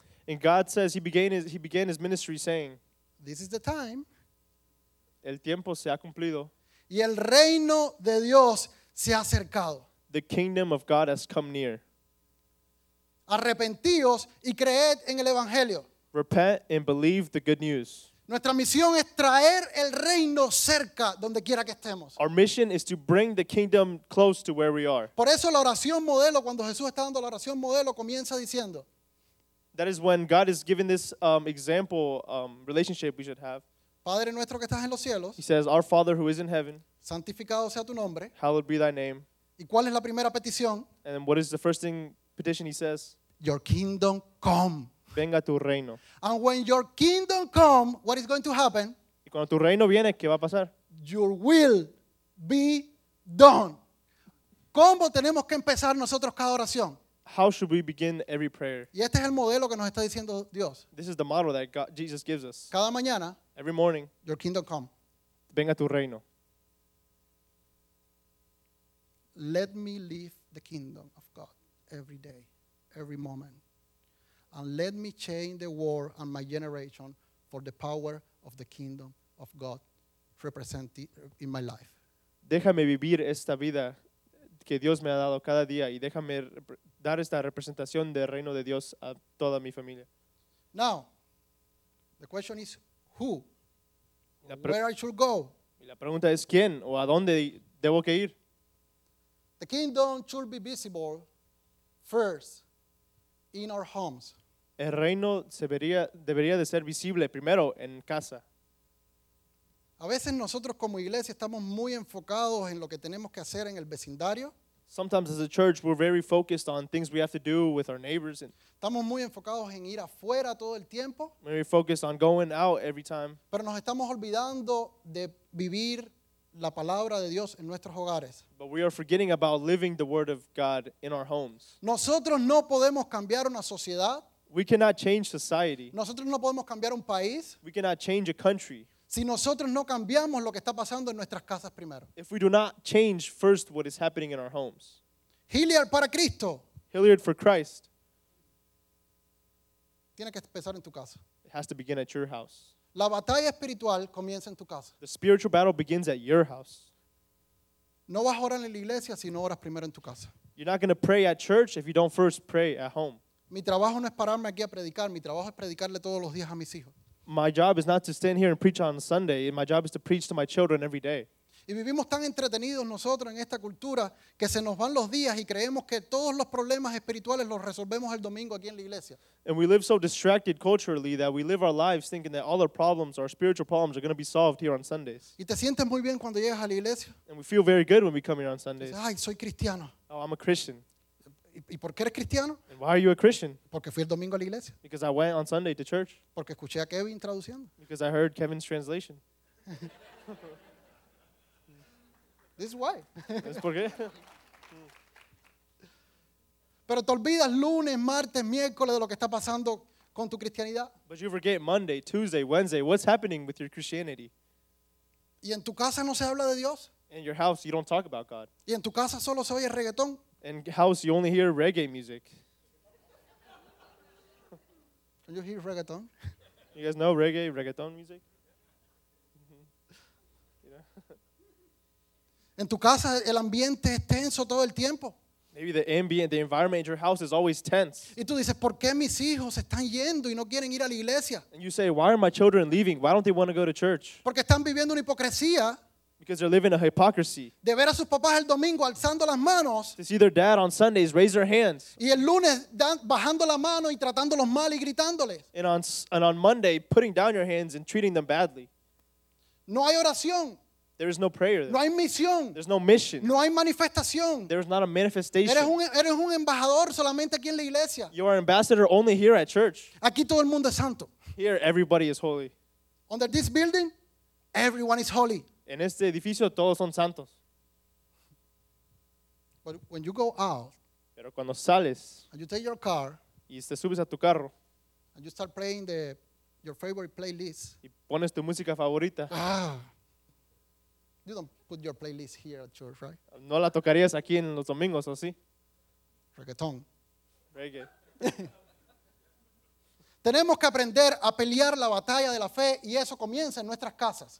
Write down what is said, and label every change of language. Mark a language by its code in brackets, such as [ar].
[en] And God says he began his ministry saying. This is the time. [es] El tiempo se ha cumplido. Y el reino de Dios se ha acercado. [en] The kingdom of God has come near. [es] Arrepentíos y creed en el evangelio. [en] Repent and believe the good news. [es] Nuestra misión es traer el reino cerca donde quiera que estemos. [en] Our mission is to bring the kingdom close to where we are. [es] Por eso la oración modelo, cuando Jesús está dando la oración modelo, comienza diciendo. [en] That is when God is giving this example relationship we should have. [es] Padre nuestro que estás en los cielos. [en] He says, our Father who is in heaven. [es] Santificado sea tu nombre. [en] Hallowed be thy name. [es] ¿Y cuál es la primera petición? [en] And what is the first thing petition he says? Your kingdom come. [es] Venga tu reino. [en] And when your kingdom come, what is going to happen? [es] Y cuando tu reino viene, ¿qué va a pasar? [en] Your will be done. [es] ¿Cómo tenemos que empezar nosotros cada oración? [en] How should we begin every prayer? [es] Y este es el modelo que nos está diciendo Dios. [en] This is the model that God, Jesus gives us. [es] Cada mañana. [en] Every morning, your kingdom come. [es] Venga tu reino. [en] Let me live the kingdom of God every day, every moment. and let me change the world and my generation for the power of the kingdom of God represented in my life. [es] Déjame vivir esta vida que Dios me ha dado cada día y déjame dar esta representación del reino de Dios a toda mi familia. [en] Now, the question is who? Where I should go? [es] Y la pregunta es quién o a dónde debo que ir. [en] The kingdom should be visible first in our homes. [es] El reino debería de ser visible primero en casa. A veces nosotros como iglesia estamos muy enfocados en lo que tenemos que hacer en el vecindario. [en] Sometimes as a church we're very focused on things we have to do with our neighbors. [es] Estamos muy enfocados en ir afuera todo el tiempo. [en] Very focused on going out every time. [es] Pero nos estamos olvidando de vivir la palabra de Dios en nuestros hogares. [en] But we are forgetting about living the word of God in our homes. [es] Nosotros no podemos cambiar una sociedad. [en] We cannot change society. [es] Nosotros no podemos cambiar un país. [en] We cannot change a country. [es] Si nosotros no cambiamos lo que está pasando en nuestras casas primero. [en] If we do not change first what is happening in our homes. [es] Hilliard para Cristo. [en] Hilliard for Christ. [es] Tiene que empezar en tu casa. [en] It has to begin at your house. [es] La batalla espiritual comienza en tu casa. [en] The spiritual battle begins at your house. [es] No vas a orar en la iglesia si no oras primero en tu casa. [en] You're not going to pray at church if you don't first pray at home. [es] Mi trabajo no es pararme aquí a predicar. Mi trabajo es predicarle todos los días a mis hijos. [en] My job is not to stand here and preach on Sunday. My job is to preach to my children every day. [es] Y vivimos tan entretenidos nosotros en esta cultura que se nos van los días y creemos que todos los problemas espirituales los resolvemos el domingo aquí en la iglesia. [en] And we live so distracted culturally that we live our lives thinking that all our problems, our spiritual problems, are going to be solved here on Sundays. [es] Y te sientes muy bien cuando llegas a la iglesia. [en] And we feel very good when we come here on Sundays. [es] Ay, soy cristiano. [en] Oh, I'm a Christian. [es] ¿Y por qué eres cristiano? [en] And why are you a Christian? [es] Porque fui el domingo a la iglesia. [en] Because I went on Sunday to church. [es] Porque escuché a Kevin traduciendo. [en] Because I heard Kevin's translation. This is why. [es] ¿Es por qué? Pero te olvidas lunes, martes, miércoles de lo que está pasando con tu cristianidad. [en] But you forget Monday, Tuesday, Wednesday, what's happening with your Christianity. [es] ¿Y en tu casa no se habla de Dios? [en] In your house you don't talk about God. [es] ¿Y en tu casa solo se oye reggaetón? [en] In house, you only hear reggae music. Can you hear reggaeton? You guys know reggae, reggaeton music? [es] En tu casa, el ambiente es tenso todo el tiempo. [en] Maybe the ambient, the environment in your house is always tense. [es] Y tú dices, ¿por qué mis hijos están yendo y no quieren ir a la iglesia? [en] And you say, why are my children leaving? Why don't they want to go to church? [es] Porque están viviendo una hipocresía. [en] Because they're living a hypocrisy. [es] De ver a sus papás el domingo alzando las manos. [en] To see their dad on Sundays raise their hands. [es] Y el lunes bajando la mano y tratándolos mal y gritándoles. [en] And on Monday putting down your hands and treating them badly. [es] No hay oración. [en] There is no prayer. There. [es] No hay misión. [en] There's no mission. [es] No hay manifestación. [en] There is not a manifestation. [es] Eres un embajador solamente aquí en la iglesia. [en] You are an ambassador only here at church. [es] Aquí todo el mundo es santo. [en] Here everybody is holy. Under this building, everyone is holy. [es] En este edificio todos son santos. [en] But when you go out, [es] pero cuando sales, [en] and you take your car, [es] y te subes a tu carro, [en] and you start playing your favorite playlist, [es] y pones tu música favorita, [en] you don't put your playlist here at church, right? [es] No la tocarías aquí en los domingos, ¿o sí? Reggaeton. [en] Reggae. [es] Tenemos que aprender a pelear la batalla de la fe y eso comienza en nuestras casas.